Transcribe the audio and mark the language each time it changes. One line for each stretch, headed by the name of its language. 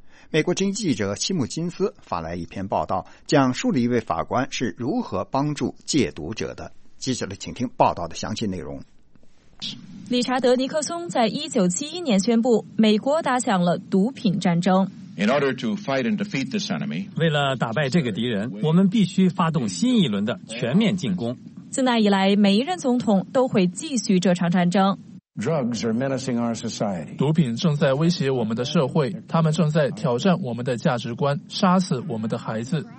Chinese: 美国之音记者西姆金斯发来一篇报道，讲述了一位法官是如何帮助戒毒者的。记者的请听报道的详细内容。理查德·尼克松在1971年宣布，美国打响了毒品战争。
English: In order to fight and defeat this enemy,
Chinese: 为了打败这个敌人，我们必须发动新一轮的全面进攻。自那以来，每一任总统都会继续这场战争。
English: Drugs are menacing our society.
Chinese: 毒品正在威胁我们的社会，他们正在挑战我们的价值观，杀死我们的孩子。